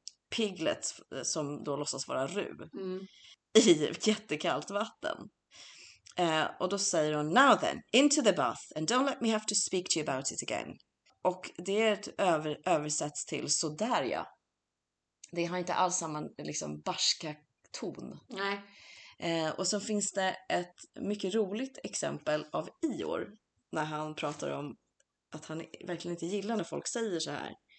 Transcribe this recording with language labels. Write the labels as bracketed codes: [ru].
[sv] Piglet som då låtsas vara Ru i jättekallt vatten. Och då säger hon [en] now then, into the bath and don't let me have to speak to you about it again. [sv] Och det är ett översätts till så där ja. Det har inte alls samma liksom barska ton. Nej. Och så finns det ett mycket roligt exempel av Ior när han pratar om att han verkligen inte gillar när folk säger så här.